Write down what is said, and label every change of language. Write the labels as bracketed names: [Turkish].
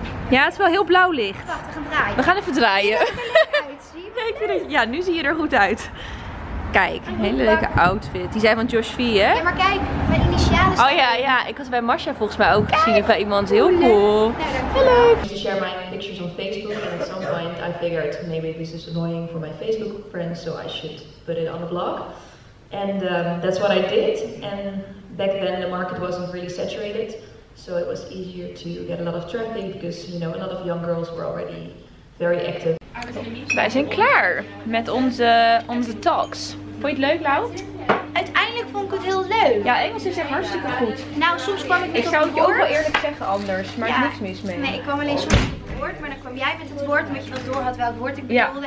[Dutch] Ja, het is wel heel blauw licht. Wacht, we gaan draaien. We gaan even draaien. Ziet er lekker uit, zie je? Ja, nu zie je er goed uit. Kijk, een hele leuke outfit. Die zijn van Josh V, hè? Ja, maar kijk, mijn initialen zijn. Oh ja, ja, ik had bij Marsha volgens mij ook gezien bij iemand. Heel cool. Nou, heel [English] Hello. [Dutch] Ik wil [English] share my pictures on Facebook. And at some point I figured maybe this is annoying for my Facebook friends, so I should put it on a blog. And that's what I did. And back then the market wasn't really saturated. So it was easier to get a lot of traffic because, you know, a lot of young girls were already very active. [Dutch] Wij zijn klaar met onze talks. Vond je het leuk, Lau? Uiteindelijk vond ik het heel leuk. Ja, Engels is echt hartstikke goed. Nou, soms kwam ik niet ik op het woord. Ik zou het je ook wel eerlijk zeggen anders, maar ja, er is niks mis mee. Nee, ik kwam alleen soms op het woord, maar dan kwam jij met het woord, omdat je dat door had welk woord ik bedoelde.